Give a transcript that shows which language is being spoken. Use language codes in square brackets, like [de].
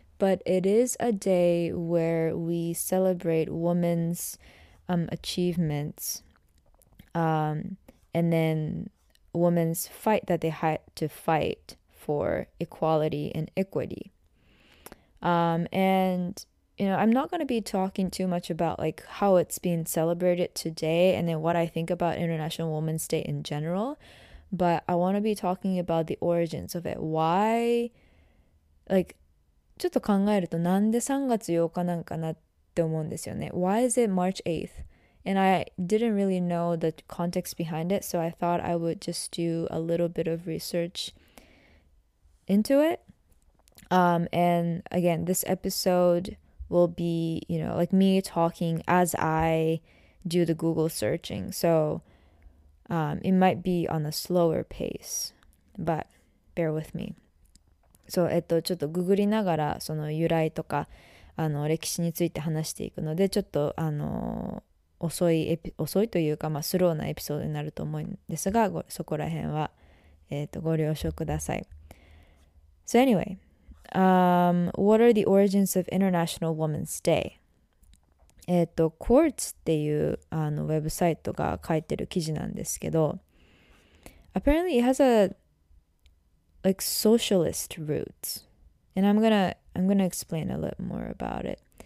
[en] But it is a day where we celebrate women's achievements and then women's fight that they had to fight for equality and equity. And, you know, I'm not going to be talking too much about like how it's being celebrated today and then what I think about International Women's Day in general. But I want to be talking about the origins of it. Why, like... [ja] ちょっと考えるとなんで3月8日なんかなって思うんですよね。 [en] Why is it March 8th? And I didn't really know the context behind it, so I thought I would just do a little bit of research into it. And again, this episode will be, you know, like me talking as I do the Google searching. So it might be on a slower pace, but bear with me. [ja] そう、ちょっとググりながらその由来とか歴史について話していくのでちょっと遅いというか、まあ、スローなエピソードになると思うんですがそこら辺は、ご了承ください。 [en] So anyway, what are the origins of International Women's Day? [ja] Quartz っていうウェブサイトが書いてる記事なんですけど [en] Apparently it has aLike socialist roots, and I'm gonna explain a little more about it.